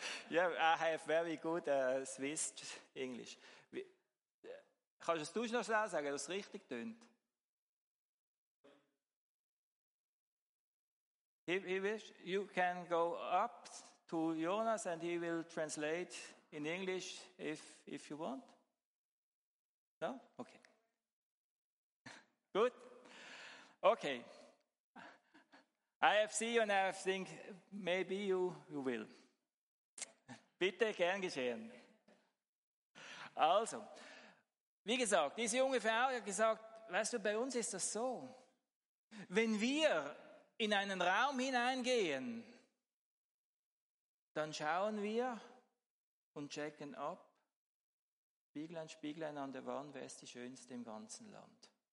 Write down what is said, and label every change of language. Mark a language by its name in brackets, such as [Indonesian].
[English] Yeah, I have very good Swiss English. [German] Kannst du es noch schnell sagen, dass es richtig tönt? [English] You can go up to Jonas and he will translate in English if you want. No? Okay. Good. Okay. I have seen you and I think maybe you will. [German] Bitte, gern geschehen. Also, wie gesagt, diese junge Frau hat gesagt, weißt du, bei uns ist das so. Wenn wir in einen Raum hineingehen, dann schauen wir und checken ab, Spieglein, Spieglein an der Wand, wer ist die Schönste im ganzen Land?